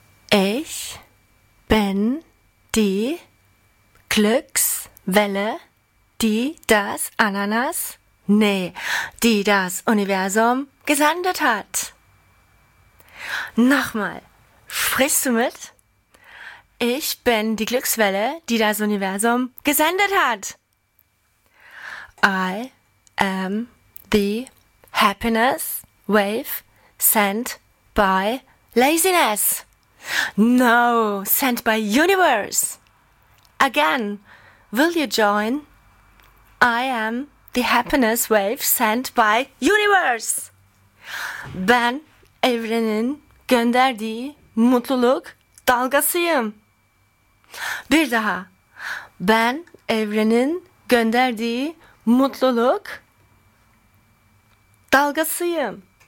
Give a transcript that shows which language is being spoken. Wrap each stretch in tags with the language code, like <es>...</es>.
<de>Ich bin die Glückswelle, die das Ananas, nee, die das Universum gesandet hat. Nochmal, sprichst du mit? Ich bin die Glückswelle, die das Universum gesendet hat.</de> <en>I am the happiness wave sent by laziness. No, sent by universe. Again, will you join? I am the happiness wave sent by universe.</en> <tr>Ben evrenin gönderdiği mutluluk dalgasıyım. Bir daha. Ben evrenin gönderdiği mutluluk dalgasıyım.</tr>